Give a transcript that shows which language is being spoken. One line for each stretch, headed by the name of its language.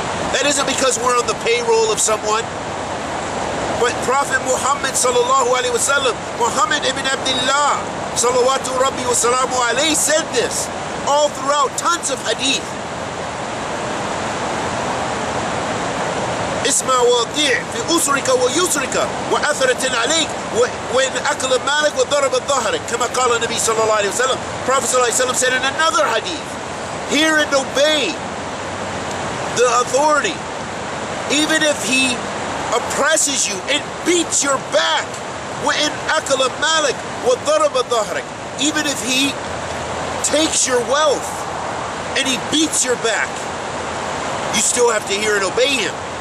English: That isn't because we're on the payroll of someone, but Prophet Muhammad ﷺ, Muhammad ibn Abdullah salawatu rabbi wa salamu alayhi, said this all throughout tons of hadith.
Arabic: اسمع واطيع في أسرك ويسرك وأثرة عليك وإن أكل مالك وضرب ظهرك كما قال النبي صلى الله عليه وسلم.
English: Prophet
Arabic: صلى الله عليه وسلم
English: said in another hadith, hear and obey the authority, even if he oppresses you and beats your back.
Arabic: وإن أكل مالك وضرب ظهرك,
English: even if he takes your wealth and he beats your back, you still have to hear and obey him.